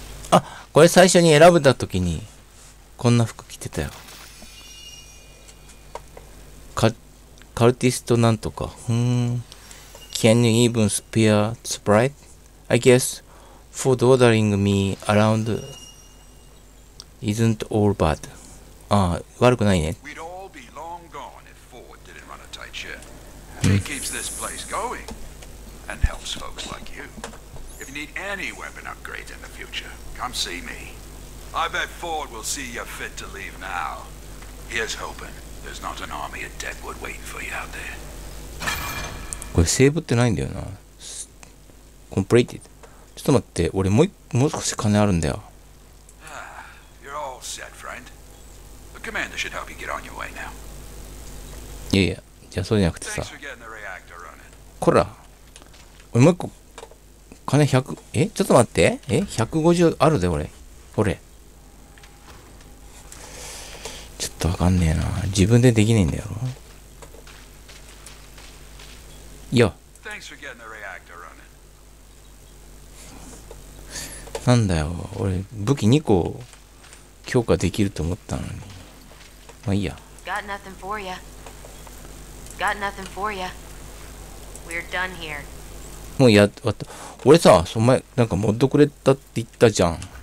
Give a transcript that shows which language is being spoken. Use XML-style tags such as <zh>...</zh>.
<ja>あ、これ最初に選ぶた時にこんな服着てたよ。カルティストなんとか。うん。</ja> <en>Can you even spare sprite? I guess food ordering me around isn't all bad.</en> <ja>あ、悪くないね。</ja> <en>We'd all be long gone if Ford didn't run a tight ship. He keeps this place going and helps folks like you. Need any weapon upgrades in the future? Come see me. I bet Ford will see you're fit to leave now. Here's hoping there's not an army of Deadwood waiting for you out there.</en> <ja>これセーブってないんだよな。</ja> <en>Completed.</en> <ja>ちょっと待って、俺もう少し金あるんだよ。</ja> <en>You're all set, friend. The commander should help you get on your way now.</en> <ja>いやいや、じゃあそうじゃなくてさ。</ja> <en>Thanks for getting the reactor running.</en> <ja>こら、俺もう一個。金100、え、ちょっと待って、え、150あるで俺。これちょっとわかんねえな、自分でできねえんだよ。いや、</ja> <en>Thanks for getting the reactor running.</en> <ja>なんだよ、俺武器2個強化できると思ったのに。まあいいや。</ja> <en>Got nothing for ya. Got nothing for ya. We're done here.</en> <ja>もうやっ、終わった。俺さ、お前、なんかモッドくれたって言ったじゃん。</ja>